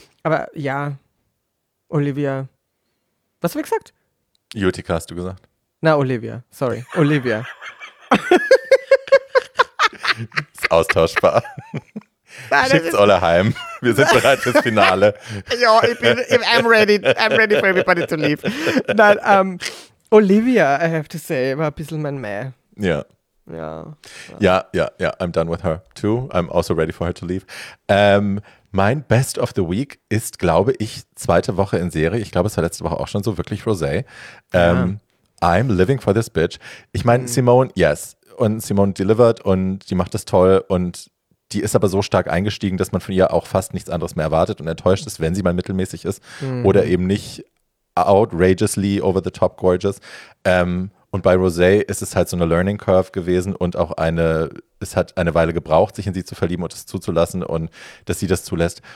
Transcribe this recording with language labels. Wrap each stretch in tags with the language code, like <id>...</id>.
<de>Aber ja, Olivia. Was hab ich gesagt? Utica hast du gesagt. Na, Olivia. Sorry. Olivia. Ist austauschbar. Schickt's alle heim. Wir sind bereit fürs Finale.</de> <en>Ja, I'm ready for everybody to leave.</en> <de>Nein, Olivia, I have to say, war ein bisschen mein Mäh. Ja. Ja.</de> <en>Ja, ja, ja. I'm done with her too. I'm also ready for her to leave.</en> <de>Mein Best of the Week ist, glaube ich, zweite Woche in Serie. Ich glaube, es war letzte Woche auch schon so, wirklich Rosé.</de> <en>I'm living for this bitch.</en> <de>Ich meine, Simone, yes. Und Simone delivered und die macht das toll. Und die ist aber so stark eingestiegen, dass man von ihr auch fast nichts anderes mehr erwartet und enttäuscht ist, wenn sie mal mittelmäßig ist. Mm.</de> <en>Oder eben nicht outrageously over the top gorgeous.</en> <de>Und bei Rosé ist es halt so eine Learning Curve gewesen und auch es hat eine Weile gebraucht, sich in sie zu verlieben und es zuzulassen und dass sie das zulässt.</de>